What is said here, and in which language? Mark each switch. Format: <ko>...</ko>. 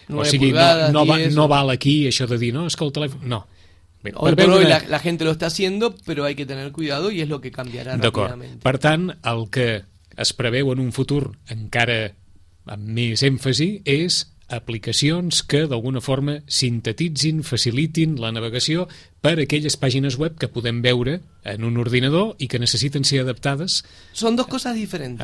<ca>O sigui, no val aquí això de dir, no, és que el telèfon... No.</ca> <es>Hoy por hoy la gente lo está haciendo, pero hay que tener cuidado y es lo que cambiará rápidamente.</es> <ca>Per tant, el que... es preveu en un futur encara amb més èmfasi és aplicacions que d'alguna forma sintetitzin, facilitin la navegació per aquelles pàgines web que podem veure en un ordinador i que necessiten ser adaptades. Són dos coses diferents.</ca>